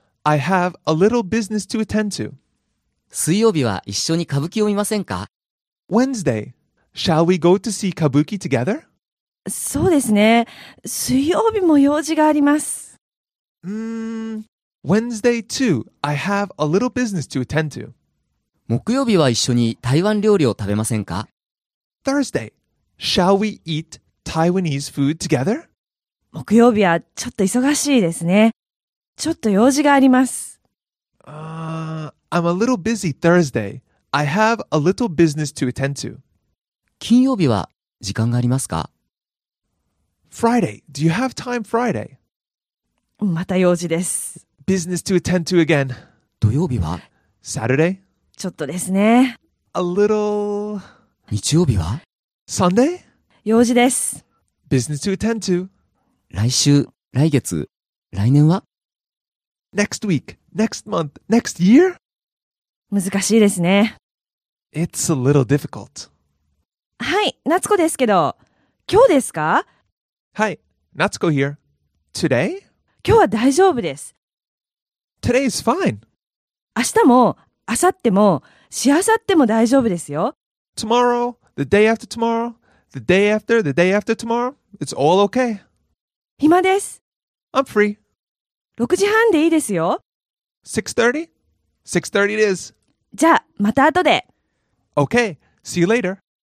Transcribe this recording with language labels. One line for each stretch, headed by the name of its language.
English: I have a little business to attend to.
Japanese: 水曜日は一緒に歌舞伎を見ませんか?
English: Wednesday. Shall we go to see Kabuki together?
Japanese: そうですね。水曜日も用事があります。
English: Wednesday too, I have a little business to attend to.
Japanese: 木曜日は一緒に台湾料理を食べませんか?
English: Thursday, shall we eat Taiwanese food together?
Japanese: 木曜日はちょっと忙しいですね。ちょっと用事があります。
English: I'm a little busy Thursday. I have a little business to attend to.
Japanese: 金曜日は時間がありますか?
English: Friday, do you have time Friday?
Japanese: また用事です。
English: Business to attend to again.
Japanese: 土曜日は?
English: Saturday?
Japanese: ちょっとですね。
English: A little...
Japanese: 日曜日は?
English: Sunday?
Japanese: 用事です。
English: Business to attend to.
Japanese: 来週、来月、来年は?
English: Next week, next month, next year?
Japanese: 難しいですね。
English: It's a little difficult.
Japanese: はい、夏子ですけど、今日ですか? はい、
English: 夏子 here. Today?
Japanese: 今日は大丈夫です。
English: Today is fine.
Japanese: 明日も、明後日も、し明後日も大丈夫ですよ。
English: Tomorrow, the day after tomorrow, the day after, the day after tomorrow, it's all okay.
Japanese: 暇です。
English: I'm free.
Japanese: 6時半でいいですよ。
English: 6:30? 6:30 it is.
Japanese: じゃあ、また後で。
English: Okay, see you later.